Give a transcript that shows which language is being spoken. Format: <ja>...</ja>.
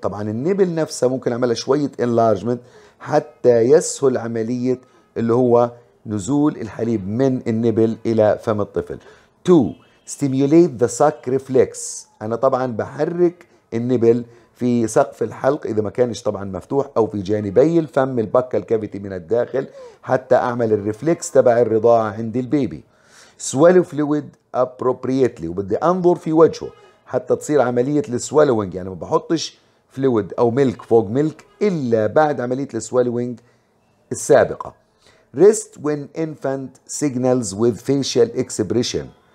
<ar>طبعا النبل نفسها ممكن عملها شوية Enlargement حتى يسهل عملية اللي هو نزول الحليب من النبل الى فم الطفل.</ar> <en>2. Stimulate the suck reflex.</en> <ar>انا طبعا بحرك النبل في سقف الحلق اذا ما كانش طبعا مفتوح او في جانبي الفم البكال كافيتي من الداخل حتى اعمل الريفلكس تبع الرضاعة عند البيبي.</ar> <en>Swallow fluid appropriately.</en> <ar>وبدي انظر في وجهه حتى تصير عملية السوالوينج. يعني ما بحطش فلويد او ميلك فوق ميلك الا بعد عملية السوالوينج السابقة.</ar> <en>Rest when infant signals with facial expression.</en>